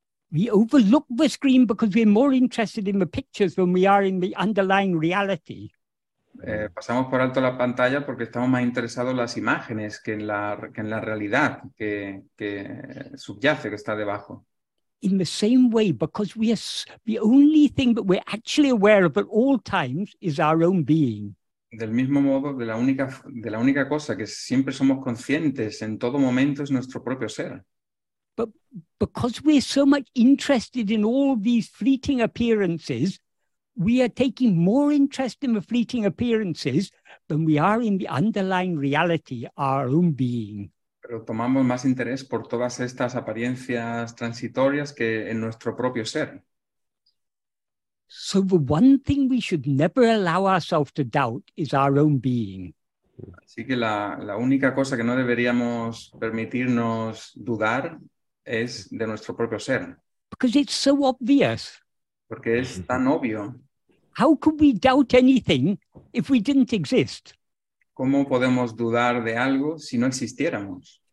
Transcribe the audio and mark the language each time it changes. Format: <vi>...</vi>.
<en>We overlook the screen because we're more interested in the pictures than we are in the underlying reality.</en> <es>Pasamos por alto la pantalla porque estamos más interesados en las imágenes que en la realidad que subyace, que está debajo.</es> <en>In the same way, because we are the only thing that we're actually aware of at all times is our own being.</en> <es>Del mismo modo, de la única cosa que siempre somos conscientes en todo momento es nuestro propio ser.</es> <en>Because we're so much interested in all these fleeting appearances, we are taking more interest in the fleeting appearances than we are in the underlying reality, our own being.</en> <es>Pero tomamos más interés por todas estas apariencias transitorias que en nuestro propio ser.</es> <en>So the one thing we should never allow ourselves to doubt is our own being.</en> <es>Así que la única cosa que no deberíamos permitirnos dudar es de nuestro propio ser.</es> <en>Because it's so obvious.</en> <es>Porque es tan obvio.</es> <en>How could we doubt anything if we didn't exist?</en> <es>¿Cómo podemos dudar de algo si no existiéramos?</es>